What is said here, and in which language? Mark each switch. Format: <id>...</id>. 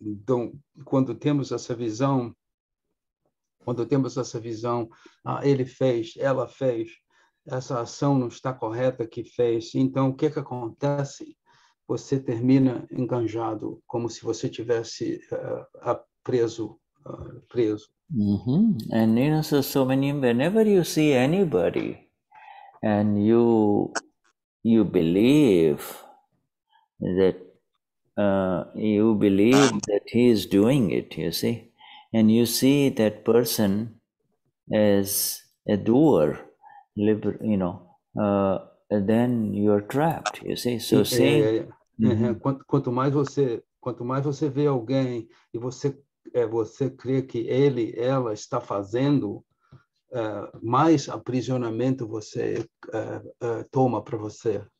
<pt>Então, quando temos essa visão, ah, ele fez, ela fez, essa ação não está correta que fez, então, o que que acontece? Você termina enganjado, como se você tivesse preso. Mm-hmm.</pt> <en>And you know, so many, whenever you see anybody and you believe that he is doing it, you see, and you see that person as a doer, then you are trapped, you see. So seeing. Uhum.</en> <pt>Quanto mais você vê alguém e você crê que ele, ela está fazendo, mais aprisionamento você toma para você.</pt>